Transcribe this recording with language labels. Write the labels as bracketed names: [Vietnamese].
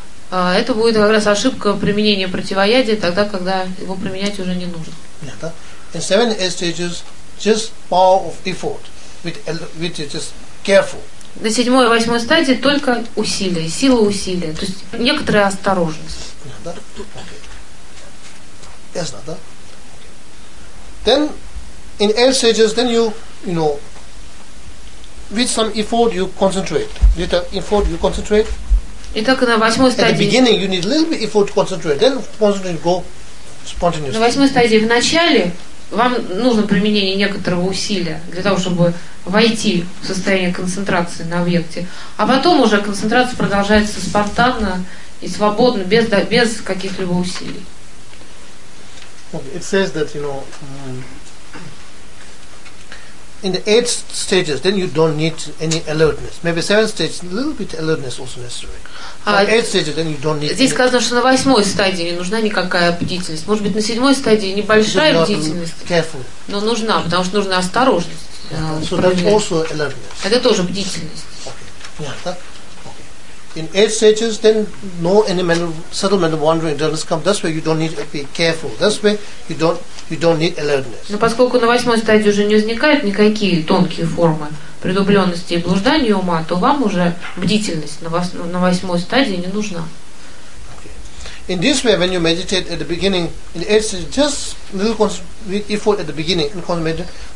[Russian] Это будет как раз ошибка применения противоядия тогда, когда его применять уже не нужно. [English] In seven stages, just power of effort, which is just careful. [Russian] На седьмой и восьмой стадии только усилия, сила усилия, то есть некоторая осторожность. [English] Yeah, okay. Yes, that. Okay. Then in eight stages, then you know, with some effort you concentrate. With the effort you concentrate. [Russian] Итак, на восьмой стадии. [English] At the beginning you need a little bit of effort to concentrate, then concentrate go spontaneously. [Russian] На восьмой стадии в начале вам нужно применение некоторого усилия для того, чтобы войти в состояние концентрации на объекте, а потом уже концентрация продолжается спонтанно и свободно без каких-либо усилий. [English] It says that you know in the eighth stages, then you don't need any alertness. Maybe seventh stage, a little bit alertness also necessary. Eighth stages, then you don't need. [Russian] Здесь сказано, что на восьмой стадии не нужна никакая бдительность. Может быть, на седьмой стадии небольшая бдительность. [English] Careful. [Russian] Но нужна, потому что нужна осторожность. [English] So that's also alertness. [Russian] Это тоже бдительность. [English] Okay. Yeah. Okay. In eighth stages, then no any mental settlement, wandering, dullness come. That's where you don't need to be careful. That's where you don't. You don't need alertness. [Russian] Но поскольку на восьмой стадии уже не возникают никакие тонкие формы притупленности и блуждания ума, то вам уже бдительность на восьмой стадии не нужна. [English] Okay. In this way, when you meditate at the beginning, in the eighth stage, just a little effort at the beginning and concentrate.